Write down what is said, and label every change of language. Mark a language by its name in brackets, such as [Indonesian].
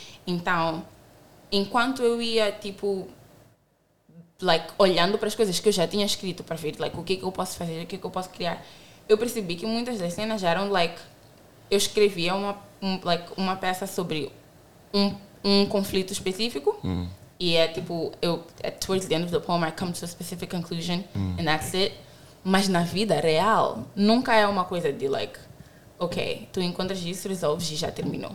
[Portuguese] Então, enquanto eu ia, tipo, like, olhando para as coisas que eu já tinha escrito para ver, like, o que eu posso fazer, o que eu posso criar, eu percebi que muitas das cenas eram, like, eu escrevia uma peça sobre um conflito específico. E é tipo, [English] towards the end of the poem, I come to a specific conclusion, and that's it. [Portuguese] Mas na vida real, nunca é uma coisa de, like, ok, tu encontras isso, resolves e já terminou.